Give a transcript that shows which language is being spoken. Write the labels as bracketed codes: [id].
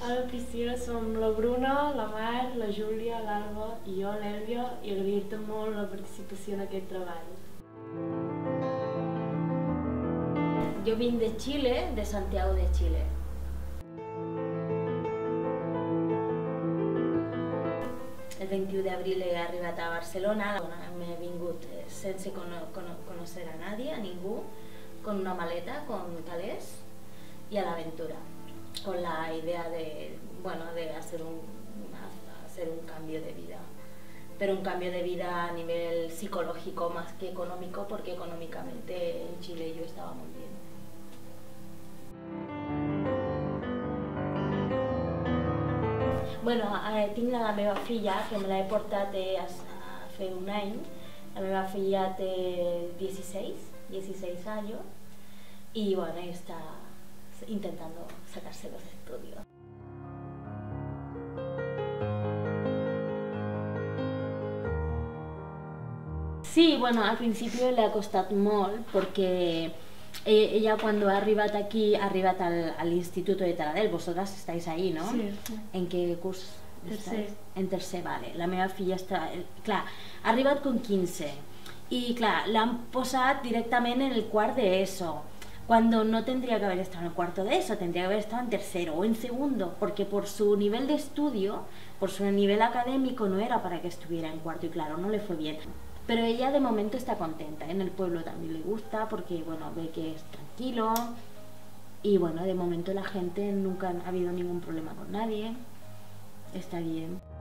[ca] Cristina, som la Bruna, la Mar, la Júlia, l'Alba i jo, l'Èlvia, i agrair-te molt la participació en aquest treball. Jo vinc de Xile, de Santiago de Xile. El 21 d'abril he arribat a Barcelona. M'he vingut sense conèixer [es] a nadie, [ca] a ningú, [es] con una maleta, con calés y [ca] a l'aventura, [es] con la idea de, bueno, de hacer un cambio de vida. Pero un cambio de vida a nivel psicológico más que económico, porque económicamente en Chile yo estaba muy bien. [ca] Bueno, tinc la meva filla, que me la he portat [es] hace un año. [ca] La meva filla té 16 años. [es] Y bueno, está intentando sacarse los estudios. Sí, bueno, al principio le [ca] ha costat molt [es] porque ella cuando [ca] ha arribat aquí, ha arribat [es] al Instituto de Taradell. Vosotras estáis ahí, ¿no? Sí. ¿En qué curso estáis? Tercer. En tercer, vale. [ca] La meva filla està, clar, ha arribat con 15. Y clar, l'han posat directament en el quart d'ESO. [es] Cuando no tendría que haber estado en el cuarto de eso, tendría que haber estado en tercero o en segundo, porque por su nivel de estudio, por su nivel académico, no era para que estuviera en cuarto, y claro, no le fue bien. Pero ella de momento está contenta, en el pueblo también le gusta, porque bueno, ve que es tranquilo, y bueno, de momento la gente nunca ha habido ningún problema con nadie, está bien.